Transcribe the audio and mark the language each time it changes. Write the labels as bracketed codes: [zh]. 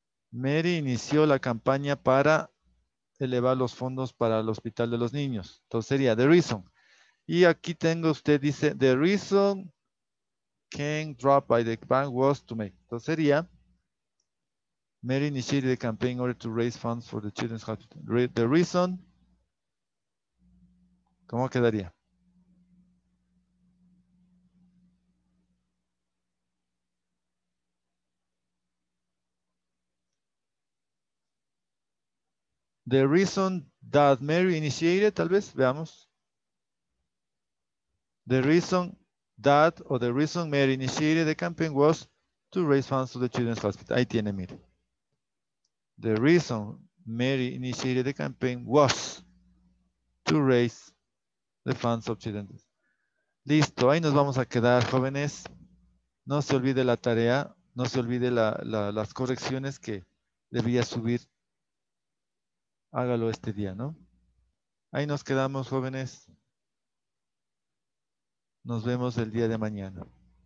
[es] Mary inició la campaña para elevar los fondos para el hospital de los niños. Entonces, sería [en] the reason. [es] Y aquí tengo, usted dice, [en] the reason Ken dropped by the bank was to make. [es] Entonces, sería [en] Mary initiated a campaign in order to raise funds for the children's hospital. The reason. [es] ¿Cómo quedaría? [en] The reason that Mary initiated, [es] tal vez, veamos. [en] The reason that, or the reason Mary initiated the campaign was to raise funds to the children's hospital. [es] Ahí tiene, mire. [en] The reason Mary initiated the campaign was to raise the fans of children. [es] Listo, ahí nos vamos a quedar, jóvenes. No se olvide la tarea, no se olvide las correcciones que debía subir. Hágalo este día, ¿no? Ahí nos quedamos, jóvenes. Nos vemos el día de mañana.